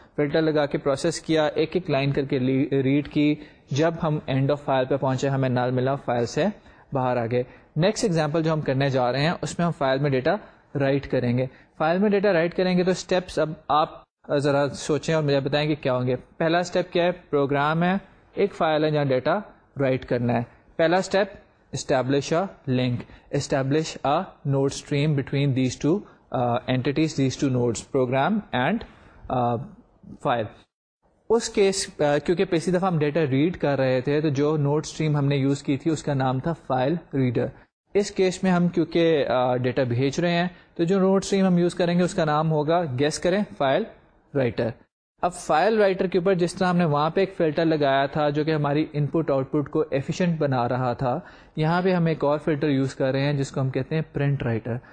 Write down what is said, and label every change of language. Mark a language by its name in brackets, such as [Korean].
[Urdu] Filter لگا کے process کیا, ایک ایک لائن کر کے ریڈ کی, جب ہم اینڈ آف فائل پہ پہنچے ہمیں نال ملا, فائل سے باہر آ گئے. نیکسٹ ایگزامپل جو ہم کرنے جا رہے ہیں اس میں ہم فائل میں ڈیٹا رائٹ کریں گے. فائل میں ڈیٹا رائٹ کریں گے تو اسٹیپس اب آپ ذرا سوچیں اور مجھے بتائیں کہ کیا ہوں گے. پہلا اسٹیپ کیا ہے, پروگرام ہے, ایک فائل ہے جہاں ڈیٹا رائٹ کرنا ہے. پہلا step [English] establish a link, establish a node stream between these two entities, these two nodes, program and file. [Urdu] اس case کیونکہ پچھلی دفعہ ہم ڈیٹا ریڈ کر رہے تھے تو جو نوڈ اسٹریم ہم نے یوز کی تھی اس کا نام تھا فائل ریڈر. اس کیس میں ہم کیونکہ ڈیٹا بھیج رہے ہیں تو جو نوڈ اسٹریم ہم یوز کریں گے اس کا نام ہوگا, گیس کریں, فائل رائٹر. اب فائل رائٹر کے اوپر جس طرح ہم نے وہاں پہ ایک فلٹر لگایا تھا جو کہ ہماری ان پٹ آؤٹ پٹ کو ایفیشینٹ بنا رہا تھا, یہاں پہ ہم ایک اور فلٹر یوز کر رہے ہیں جس کو ہم کہتے ہیں پرنٹ رائٹر.